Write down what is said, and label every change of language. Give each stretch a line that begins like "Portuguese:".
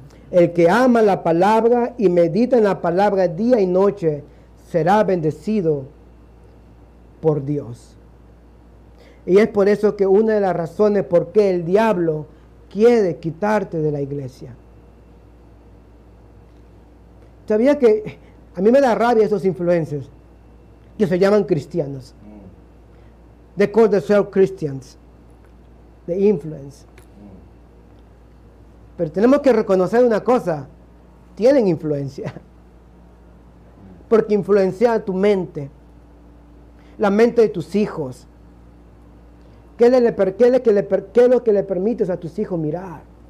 Spanish: El que ama la palabra y medita en la palabra día y noche será bendecido por Dios. Y es por eso que una de las razones por qué el diablo quiere quitarte de la iglesia. ¿Sabía que a mí me da rabia esos influencers que se llaman cristianos?
English: They call themselves Christians, the influence.
Spanish: Pero tenemos que reconocer una cosa, tienen influencia. Porque influencia tu mente, la mente de tus hijos. ¿Qué es lo que le permites a tus hijos mirar?